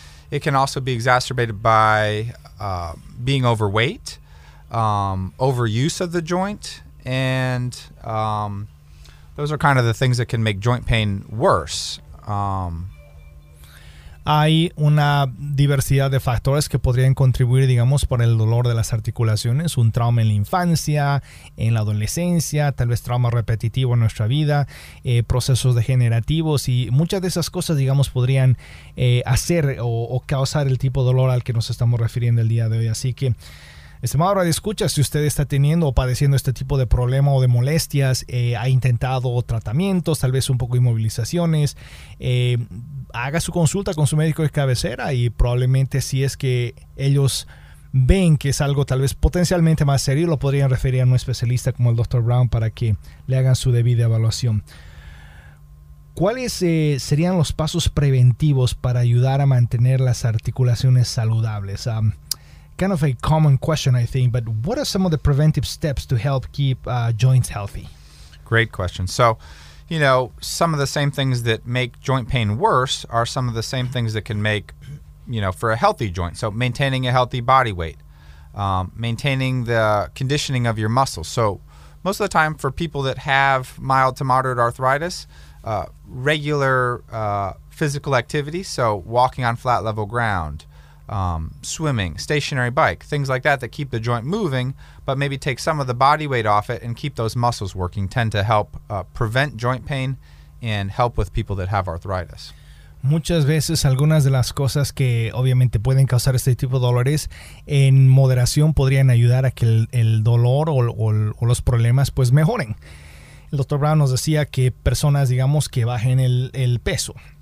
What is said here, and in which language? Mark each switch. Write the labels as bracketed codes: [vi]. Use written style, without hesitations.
[en] It can also be exacerbated by being overweight, overuse of the joint, and those are kind of the things that can make joint pain worse. [es] Hay una diversidad de factores que podrían contribuir, digamos, para el dolor de las articulaciones. Un trauma en la infancia, en la adolescencia, tal vez trauma repetitivo en nuestra vida, procesos degenerativos y muchas de esas cosas, digamos, podrían hacer o causar el tipo de dolor al que nos estamos refiriendo el día de hoy. Así que, estimado radioescucha, si usted está teniendo o padeciendo este tipo de problema o de molestias, ha intentado tratamientos, tal vez un poco inmovilizaciones, haga su consulta con su médico de cabecera y probablemente si es que ellos ven que es algo tal vez potencialmente más serio, lo podrían referir a un especialista como el Dr. Brown para que le hagan su debida evaluación. ¿Cuáles serían los pasos preventivos para ayudar a mantener las articulaciones saludables? [en] Kind of a common question, I think, but what are some of the preventive steps to help keep joints healthy? Great question. So, you know, some of the same things that make joint pain worse are some of the same things that can make, you know, for a healthy joint. So maintaining a healthy body weight, maintaining the conditioning of your muscles. So most of the time for people that have mild to moderate arthritis, regular physical activity, so walking on flat level ground, swimming, stationary bike, things like that that keep the joint moving, but maybe take some of the body weight off it and keep those muscles working tend to help prevent joint pain and help with people that have arthritis. [es] Muchas veces algunas de las cosas que obviamente pueden causar este tipo de dolores en moderación podrían ayudar a que el dolor o los problemas pues mejoren. El Dr. Brown nos decía que personas, digamos, que bajen el peso.